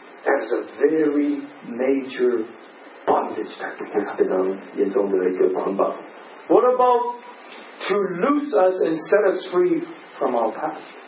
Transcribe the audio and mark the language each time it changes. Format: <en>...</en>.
<en>，as a very major bondage that we have，</en> <zh>是非常严重的一个捆绑。</zh> <en>What about to loose us and set us free from our past？</en>